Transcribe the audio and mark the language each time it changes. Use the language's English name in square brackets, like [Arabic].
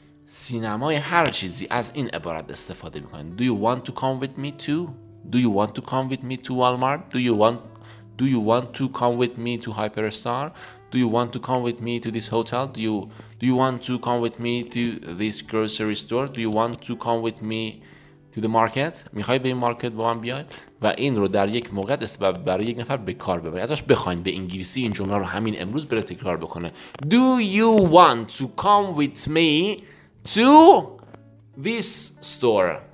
[Persian] سینمای هر چیزی از این عبارت استفاده میکنید. [English] Do you want to come with me to? Do you want to come with me to Walmart? Do you want to come with me to Hyperstar? Do you want to come with me to this hotel? Do you want to come with me to this grocery store? Do you want to come with me to the market? [Persian] میخوای به این مارکت با من بیای؟ و این رو در یک موقع استفاده برای یک نفر به کار ببرید. ازش بخواید به انگلیسی این جمله رو همین امروز بره تکرار بکنه. [English] Do you want to come with me to this store?